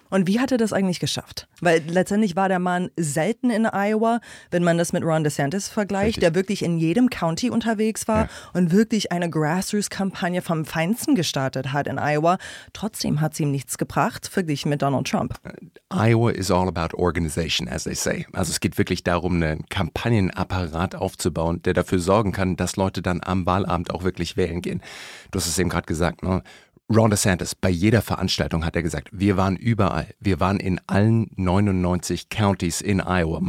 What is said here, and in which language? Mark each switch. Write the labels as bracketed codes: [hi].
[de] Und wie hat er das eigentlich geschafft? Weil letztendlich war der Mann selten in Iowa, wenn man das mit Ron DeSantis vergleicht, Richtig. Der wirklich in jedem County unterwegs war ja. und wirklich eine Grassroots-Kampagne vom Feinsten gestartet hat in Iowa. Trotzdem hat es ihm nichts gebracht, verglichen mit Donald Trump. [en] Iowa is all about organization, as they say. [de] Also es geht wirklich darum, einen Kampagnenapparat aufzubauen, der dafür sorgen kann, dass Leute dann am Wahlabend auch wirklich wählen gehen. Du hast es eben gerade gesagt, ne? Ron DeSantis, bei jeder Veranstaltung hat er gesagt, wir waren überall, wir waren in allen 99 Counties in Iowa.